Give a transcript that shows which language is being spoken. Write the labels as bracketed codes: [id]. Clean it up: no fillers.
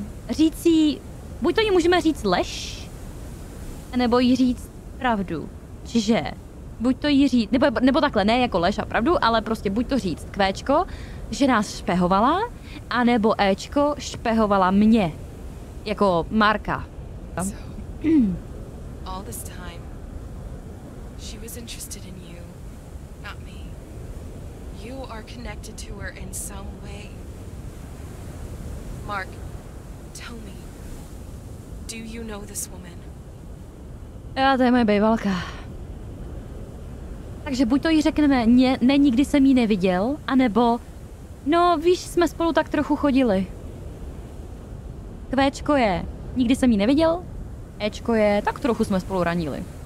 [cs] říct jí, buď to jí můžeme říct lež, nebo jí říct pravdu. Čiže buď to jí říct, nebo takhle, ne jako lež a pravdu, ale prostě buď to říct kvéčko, že nás špehovala, anebo éčko špehovala mě. Jako Marka. [en] All this time she was interested in you, not me. You are connected to her in some way. Mark, tell me, do you know this woman? [cs] Já, to je moje bejvalka. Takže buď to jí řekneme, ne, nikdy jsem jí neviděl, anebo, no víš, jsme spolu tak trochu chodili. Kvéčko je, nikdy jsem jí neviděl, Ečko je, tak trochu jsme spolu ranili.